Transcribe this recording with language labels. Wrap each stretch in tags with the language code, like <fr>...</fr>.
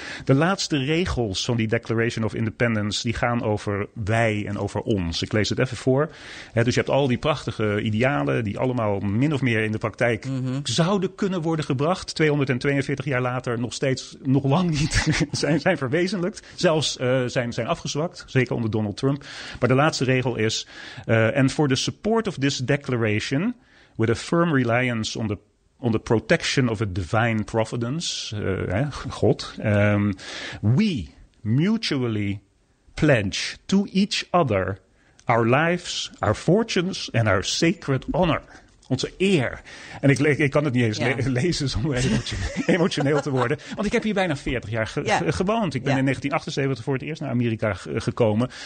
<nl>De laatste regels van die Declaration of Independence, die gaan over wij en over ons. Ik lees het even voor. Dus je hebt al die prachtige idealen die allemaal min of meer in de praktijk zouden kunnen worden gebracht. 242 jaar later nog lang niet zijn verwezenlijkt. Zelfs zijn afgezwakt, zeker onder Donald Trump. Maar de laatste regel is,</nl> <en>and for the support of this declaration, with a firm reliance on the protection of a divine providence, God, we mutually pledge to each other our lives, our fortunes and our sacred honor.</en> <nl>Onze eer. En ik kan het niet eens lezen zonder emotioneel te worden. Want ik heb hier bijna 40 jaar gewoond. Ik ben in 1978 voor het eerst naar Amerika gekomen.</nl>